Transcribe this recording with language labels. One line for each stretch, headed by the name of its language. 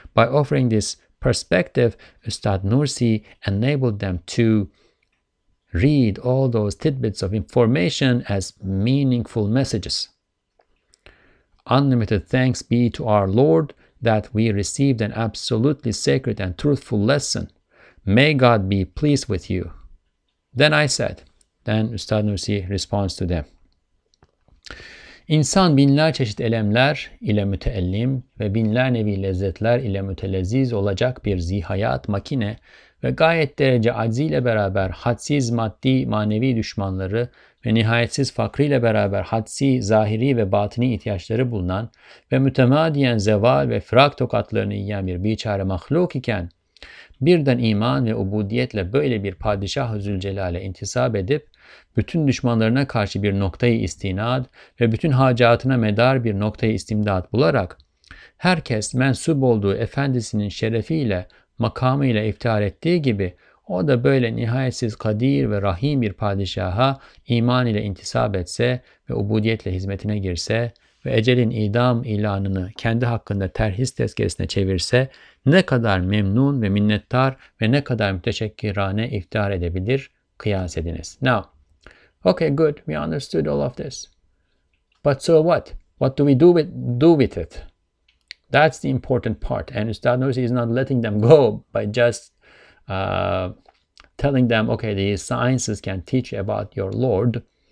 English: By offering this perspective, Ustad Nursi enabled them to read all those tidbits of information as meaningful messages. Unlimited thanks be to our Lord that we received an absolutely sacred and truthful lesson. May God be pleased with you. Then I said, then Ustad Nursi responds to them.
Turkish: İnsan binler çeşit elemler ile müteellim ve binler nevi lezzetler ile mütelezziz olacak bir zihayat makine ve gayet derece acziyle beraber hadsiz maddi manevi düşmanları ve nihayetsiz fakriyle beraber hadsi zahiri ve batini ihtiyaçları bulunan ve mütemadiyen zeval ve firak tokatlarını yiyen bir biçare mahluk iken, birden iman ve ubudiyetle böyle bir padişah-ı zülcelale intisap edip, bütün düşmanlarına karşı bir noktayı istinad ve bütün hacatına medar bir noktayı istimdat bularak, herkes mensup olduğu efendisinin şerefiyle, makamıyla iftihar ettiği gibi, o da böyle nihayetsiz kadir ve rahim bir padişaha iman ile intisap etse ve ubudiyetle hizmetine girse ve ecelin idam ilanını kendi hakkında terhis tezkeresine çevirse, ne kadar memnun ve minnettar ve ne kadar müteşekkirane iftihar edebilir, kıyas ediniz.
English: Now, okay, good, we understood all of this. But so what? What do we do with it? That's the important part. And Ustad Nursi is not letting them go by just telling them, okay, the sciences can teach you about your Lord.